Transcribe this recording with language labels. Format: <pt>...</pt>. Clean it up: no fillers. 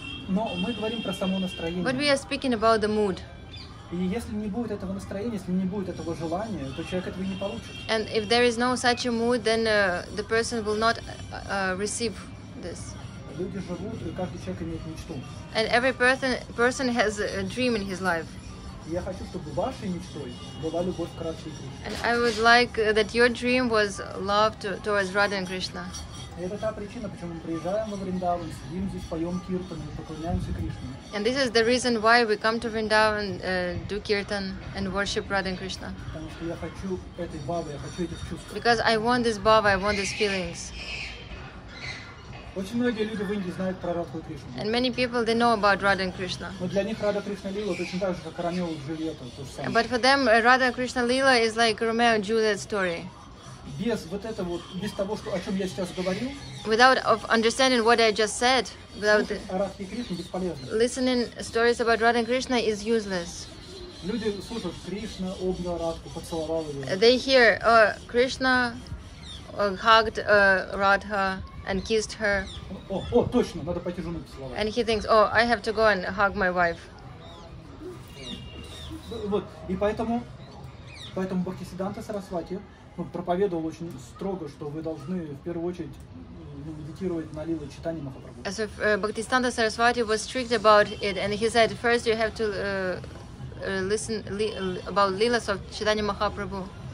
<ru>Но мы говорим про само настроение.</ru> <en>But we are speaking about the mood.</en> <ru>И если не будет этого настроения, если не будет этого желания, то человек этого не получит.</ru> <en>And if there is no such a mood, then the person will not receive this.</en> <ru>Люди живут, и каждый человек имеет мечту.</ru> <en>And every person has a dream in his life.</en> <ru>Я хочу, чтобы вашей мечтой была любовь к Раде и Кришне.</ru> <en>And I would like that your dream was love towards Radha and Krishna.</en> <ru>Это та причина, почему мы приезжаем во Вриндаван, сидим здесь, поем киртан, поклоняемся Кришне.</ru> <en>And this is the reason why we come to Vrindavan, do kirtan and worship Radha and Krishna.</en> <ru>Потому что я хочу этой бхавы, я хочу этих чувств.</ru> <en>Because I want this bhava, I want these feelings.</en> <ru>Очень многие люди в Индии знают про Радху и Кришну.</ru> <en>And many people they know about Radha and Krishna.</en> <ru>Но для них Радха Кришна Лила точно так же, как Ромео и Джульетта, то же самое.</ru> <en>But for them Radha Krishna Lila is like Romeo and Juliet story.</en> <ru>Без вот этого вот, без того, что о чем я сейчас говорил.</ru> <en>Without of understanding what I just said, without</en> <ru>Радха и Кришна бесполезно.</ru> <en>Listening stories about Radha and Krishna is useless.</en> <ru>Люди слушают Кришна обнял Радху, поцеловал ее.</ru> <en>They hear Krishna hugged Radha. And kissed her.</en> <ru>Oh, точно, надо пойти жену поцеловать.</ru> <en>And he thinks, oh, I have to go and hug my wife.</en> <ru>Вот, и поэтому Бхактисиддханта Сарасвати проповедовал очень строго, что вы должны в первую очередь медитировать на лила читание Махапрабху.</ru> <en>As if Бхактисиддханта Сарасвати was strict about it, and he said, first you have to listen about lilas of читание Махапрабху.</en>